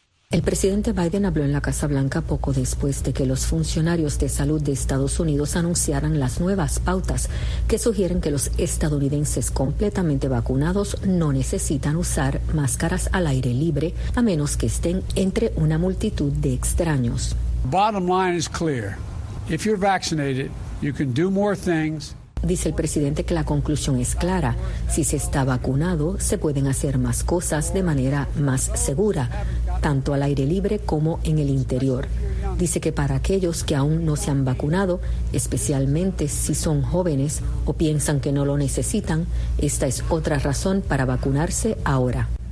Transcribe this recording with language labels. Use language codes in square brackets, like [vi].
[es] El presidente Biden habló en la Casa Blanca poco después de que los funcionarios de salud de Estados Unidos anunciaran las nuevas pautas que sugieren que los estadounidenses completamente vacunados no necesitan usar máscaras al aire libre a menos que estén entre una multitud de extraños. [en] Bottom line is clear. If you're vaccinated, you can do more things. [es] Dice el presidente que la conclusión es clara. Si se está vacunado, se pueden hacer más cosas de manera más segura, tanto al aire libre como en el interior. Dice que para aquellos que aún no se han vacunado, especialmente si son jóvenes o piensan que no lo necesitan, esta es otra razón para vacunarse ahora.